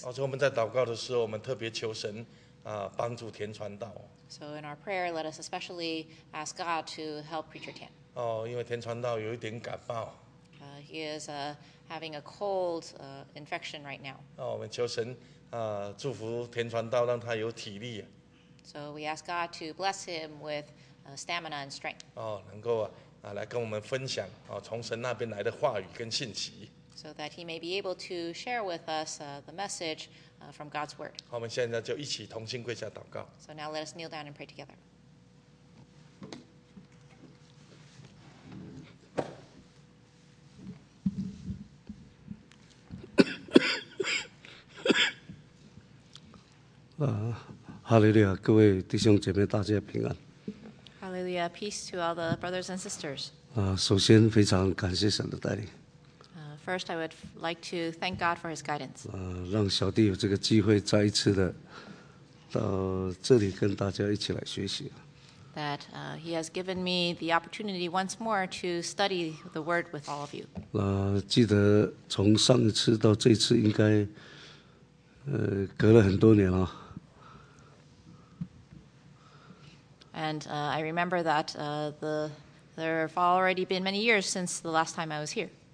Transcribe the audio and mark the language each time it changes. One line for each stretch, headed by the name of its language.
Chinese: 所以我们在祷告的时候，我们特别求神帮助田传道。
English: So in our prayer, let us especially ask God to help Preacher Tian.
Chinese: 因为田传道有一点感冒。
English: He is having a cold infection right now.
Chinese: 我们求神祝福田传道，让他有体力。
English: So we ask God to bless him with stamina and strength.
Chinese: 能够来跟我们分享从神那边来的话语跟信息。
English: So that he may be able to share with us the message from God's word.
Chinese: 我们现在就一起同心跪下祷告。
English: So now let us kneel down and pray together.
Chinese: 哈利路亚，各位弟兄姐妹，大家平安。哈利路亚
English: ，peace to all the brothers and sisters.
Chinese: 首先非常感谢神的带领。
English: First, I would like to thank God for His guidance.
Chinese: 让小弟有这个机会再一次的到这里跟大家一起来学习。
English: That He has given me the opportunity once more to study the Word with all of you.
Chinese: 记得从上一次到这次应该隔了很多年了。
English: And I remember that there have already been many years since the last time I was here.